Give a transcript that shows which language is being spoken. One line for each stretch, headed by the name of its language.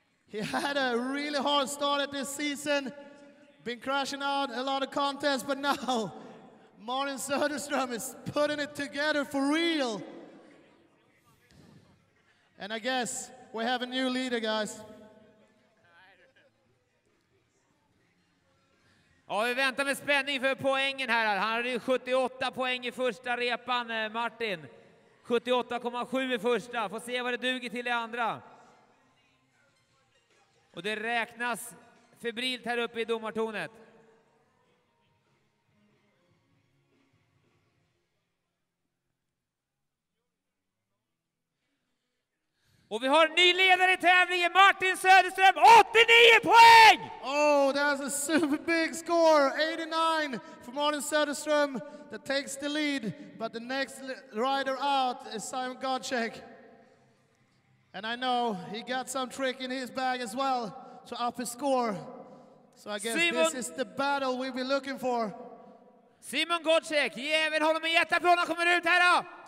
English: He had a really hard start at this season. Been crashing out a lot of contests, but now Martin Söderström is putting it together for real. And I guess we have a new leader, guys.
Swedish: Ja, vi väntar med spänning för poängen här. Han hade 78 poäng i första repan, Martin. 78,7 i första. Får se vad det duger till i andra. Och det räknas febrilt här uppe i domartornet. Och vi har en ny ledare i tävlingen, Martin Söderström, 89 poäng!
English: Oh, that's a super big score, 89 for Martin Söderström that takes the lead. But the next rider out is Simon Gottschalk. And I know he got some trick in his bag as well to up his score. So I guess Simon, this is the battle we've been looking for.
Swedish: Simon Gottschalk, ge även honom en jätteapplån, han kommer ut här då!